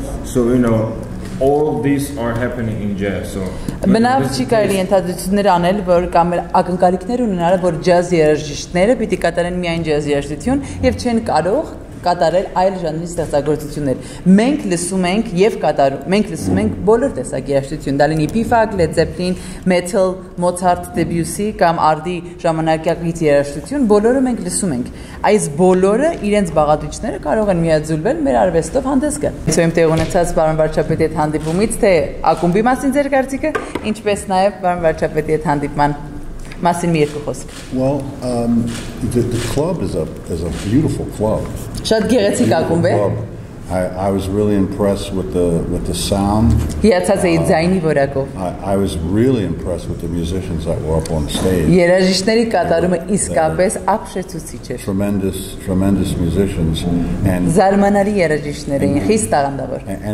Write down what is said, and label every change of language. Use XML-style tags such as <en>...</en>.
<en>So, you know, all these are happening in jazz. So,</en> <hy>մնաց չի կարելի ընդհանրություններ անել, որ կամ ակնկալիքներ ունենալ, որ ջազ երաժիշտները պիտի կատարեն միայն ջազ երաժշտություն եւ չեն կարող կատարել այլ ժանրի ստեղծագործություններ։ Մենք լսում ենք եւ կատարում, մենք լսում ենք բոլոր տեսակի երաժշտություն, դա լինի P-funk, Led Zeppelin, Metal, Mozart, Debussy կամ արդի ժամանակակից երաժշտություն, բոլորը մենք լսում ենք։ Այս բոլորը իրենց բաղադրիչները կարող են միաձուլվել մեր արվեստով հանդես գալ։ Ցույց եմ տեղ ունեցած պարոն վարչապետի հետ հանդիպումից, թե ակումբի մասին ձեր կարծիքը, ինչպես նաեւ պարոն վարչապետի հետ հանդիպման մասին մի երկու խոսք։</hy> <en>Well, the club is a beautiful club.</en> <hy>Շատ գեղեցիկ ակումբ է։</hy> <en>I was really impressed with the sound.</en> <hy>Հիացած էի ձայնի որակով։</hy> <en>I was really impressed with the musicians that were up on stage.</en> <hy>Երաժիշտների կատարումը իսկապես ապշեցուցիչ էր։</hy> <en>Tremendous musicians and</en> <hy>զարմանալի երաժիշտներ էին, խիստ տաղանդավոր։</hy>